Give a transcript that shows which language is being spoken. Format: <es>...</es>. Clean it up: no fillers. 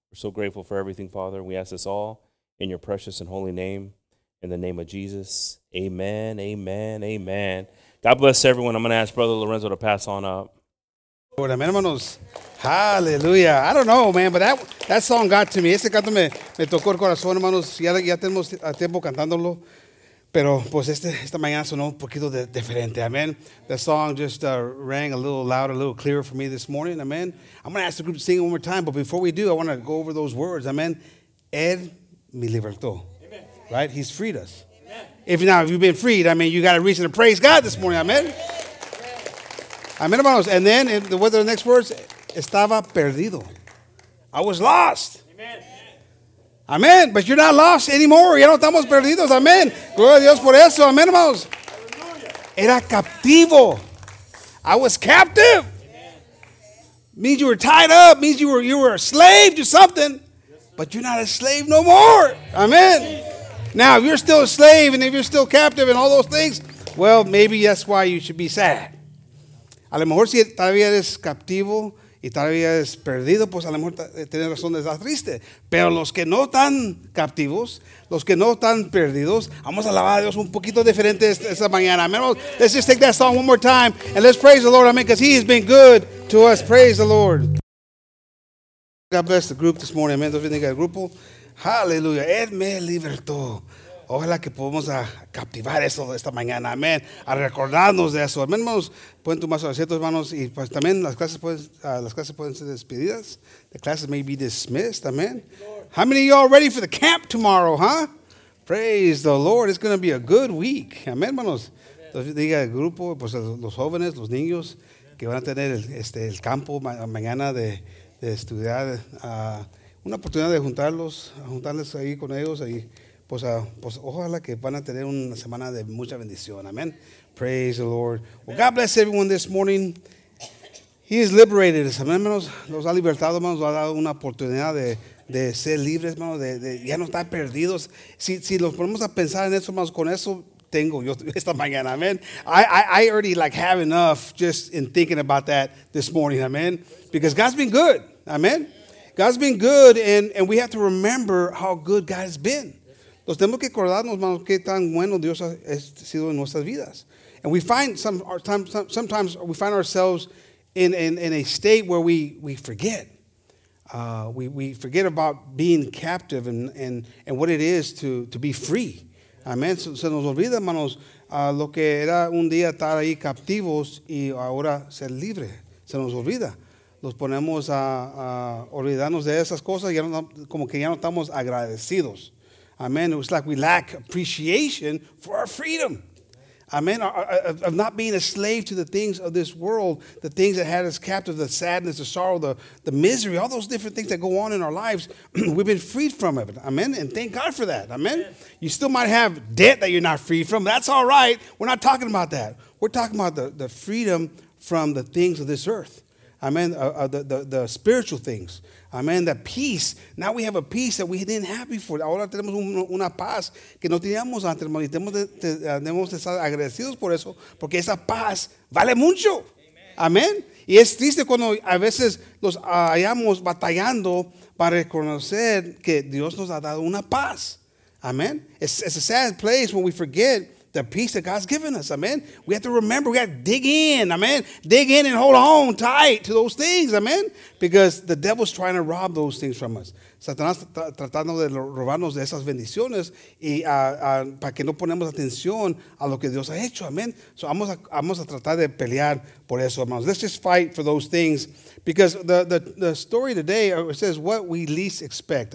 <en>We're so grateful for everything, Father. We ask this all in your precious and holy name. In the name of Jesus, amen, amen, amen. God bless everyone. I'm going to ask Brother Lorenzo to pass on up. Hallelujah. I don't know, man, but that song got to me.</en> <es>Este canto me tocó el corazón, hermanos. Ya tenemos tiempo cantándolo. Pero pues esta mañana sonó un poquito diferente.</es> <en>Amen. The song just rang a little louder, a little clearer for me this morning. Amen. I'm going to ask the group to sing it one more time. But before we do, I want to go over those words. Amen.</en> <es>Él me libertó.</es> <en>Right? He's freed us. Amen. If you've been freed, I mean, you got a reason to praise God this morning. Amen. Amen, hermanos. And then, what are the next words?</en> <es>Estaba perdido.</es> <en>I was lost. Amen. Amen. But you're not lost anymore.</en> <es>Ya no estamos perdidos. Amen. Gloria a Dios por eso. Amen, hermanos. Era captivo.</es> <en>I was captive. Amen. Means you were tied up. Means you were a slave to something. But you're not a slave no more. Amen. Now, if you're still a slave and if you're still captive and all those things, well, maybe that's why you should be sad.</en> <es>A lo mejor si todavía eres captivo y todavía eres perdido, pues a lo mejor tienes razón de estar triste. Pero los que no están captivos, los que no están perdidos, vamos a alabar a Dios un poquito diferente esta mañana.</es> <en>Let's just take that song one more time and let's praise the Lord. Amen, because he has been good to us. Praise the Lord. God bless the group this morning. Amen.</en> <es>Dios bendiga el grupo.</es> <en>Hallelujah.</en> <es>Él me libertó. Ojalá que podamos captivar eso esta mañana. Amén. A recordarnos de eso. Amén, hermanos. Pueden tomar sus asientos, hermanos. Y pues también las clases pueden ser despedidas.</es> <en>The classes may be dismissed. Amén. How many of y'all ready for the camp tomorrow, huh? Praise the Lord. It's going to be a good week. Amén, hermanos.</en> <es>Entonces, diga el grupo, pues los jóvenes, los niños, que van a tener el campo mañana de estudiar. Una oportunidad de juntarles ahí con ellos, ahí, pues ojalá que van a tener una semana de mucha bendición.</es> <en>Amen. Praise the Lord. Amen. Well, God bless everyone this morning. He has liberated us. Amen, hermanos.</en> <es>Nos ha libertado, hermanos. Nos ha dado una oportunidad de ser libres, hermanos. De ya no estar perdidos. Si los ponemos a pensar en eso, hermanos, con eso tengo yo esta mañana. Amen.</es> <en>I already like have enough just in thinking about that this morning. Amen. Because God's been good. Amen. God's been good, and we have to remember how good God has been.</en> <es>Nos tenemos que acordarnos, hermanos, qué tan bueno Dios ha sido en nuestras vidas.</es> <en>And we find sometimes we find ourselves in a state where we forget. We forget about being captive and what it is to be free. Amen.</en> <es>Se nos olvida, hermanos, lo que era un día estar ahí captivos y ahora ser libre. Se nos olvida. Nos ponemos a olvidarnos de esas cosas, ya no, como que ya no estamos agradecidos. Amen.</es> <en>It's like we lack appreciation for our freedom. Amen. Of not being a slave to the things of this world, the things that had us captive, the sadness, the sorrow, the misery, all those different things that go on in our lives, we've been freed from it. Amen. And thank God for that. Amen. You still might have debt that you're not free from. That's all right. We're not talking about that. We're talking about the freedom from the things of this earth. Amen. The spiritual things. Amen. The peace. Now we have a peace that we didn't have before.</en> <es>Ahora tenemos una paz que no teníamos antes, hermano. Y tenemos que estar agradecidos por eso, porque esa paz vale mucho. Amen. Y es triste cuando a veces nos hallamos batallando para reconocer que Dios nos ha dado una paz. Amen.</es> <en>It's a sad place when we forget the peace that God's given us. Amen. We have to remember. We got to dig in. Amen. Dig in and hold on tight to those things. Amen. Because the devil's trying to rob those things from us.</en> <es>Satanás está tratando de robarnos de esas bendiciones y para que no ponemos atención a lo que Dios ha hecho. Amen. So vamos a tratar de pelear por eso, hermanos.</es> <en>Let's just fight for those things. Because the story today says what we least expect.</en>